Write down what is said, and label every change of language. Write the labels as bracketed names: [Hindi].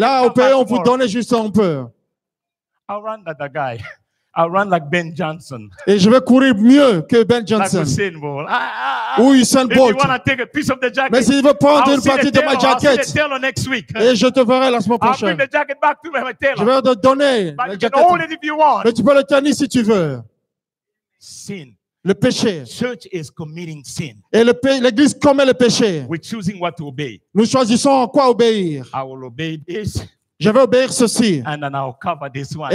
[French] là, au pays, on vous donnait juste un peu. [English] I'll run like that guy. I'll run like Ben Johnson. [French] Et je vais courir mieux que Ben Johnson. [English] Like Usain Bolt. [French] Ou Usain Bolt. [English] If you want to take a piece of the jacket, [French] mais s'il veut prendre [English] I'll [French] une partie [English] tailor, [French] de ma jacket, [English] I'll see the tailor next week. [French] Et je te verrai la semaine prochaine. [English] I'll bring the jacket back to my tailor. [French] Je vais te donner la jacket. [English] If you want. [French] Mais tu peux le tenir si tu veux. [English] Sin. [French] Le péché. [English] Church is committing sin. [French] Et l'église commet le péché. [English] We're choosing what to obey. [French] Nous choisissons à quoi obéir. [English] I will obey this. [French] Je vais obéir ceci. [English] And then I'll cover this one.